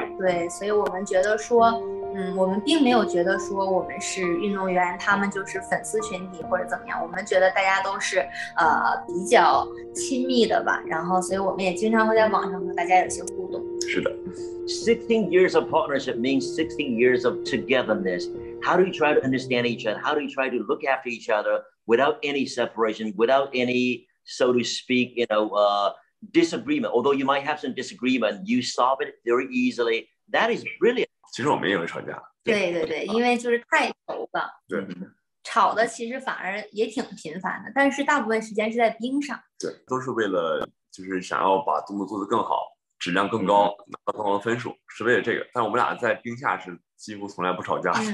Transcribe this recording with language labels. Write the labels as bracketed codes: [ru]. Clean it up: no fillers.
[zh] 对，所以我们觉得说我们并没有觉得说我们是运动员，他们就是粉丝群体或者怎么样，我们觉得大家都是比较亲密的吧，然后所以我们也经常会在网上和大家有些互动。是的。 [en] 16 years of partnership means 16 years of togetherness. How do you try to understand each other? How do you try to look after each other without any separation, without any, so to speak, you know, disagreement? Although you might have some disagreement, you solve it very easily. That is brilliant. [zh] 其实我们也会吵架。对对对，因为就是太熟了。对。吵的其实反而也挺频繁的，但是大部分时间是在冰上。对，都是为了就是想要把动作做得更好，质量更高，拿到更高的分数，是为了这个。但我们俩在冰下是几乎从来不吵架，